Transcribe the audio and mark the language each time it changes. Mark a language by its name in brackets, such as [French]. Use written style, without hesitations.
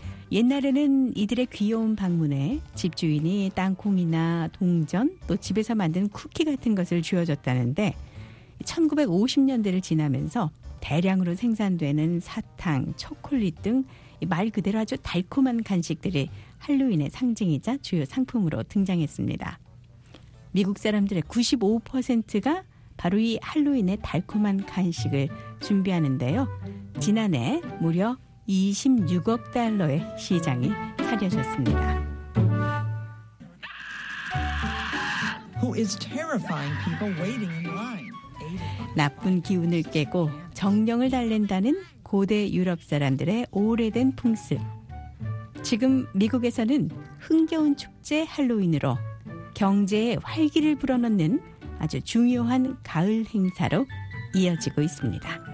[Korean] 옛날에는 이들의 귀여운 방문에 집주인이 땅콩이나 동전 또 집에서 만든 쿠키 같은 것을 주어줬다는데 1950년대를 지나면서 대량으로 생산되는 사탕, 초콜릿 등 말 그대로 아주 달콤한 간식들이 할로윈의 상징이자 주요 상품으로 등장했습니다. 미국 사람들의 95%가 바로 이 할로윈의 달콤한 간식을 준비하는데요. 지난해 무려 26억 달러의 시장이 차려졌습니다. [English] Who is terrifying people waiting in line? [Korean] 나쁜 기운을 깨고 정령을 달랜다는 고대 유럽 사람들의 오래된 풍습. 지금 미국에서는 흥겨운 축제 할로윈으로 경제에 활기를 불어넣는 아주 중요한 가을 행사로 이어지고 있습니다.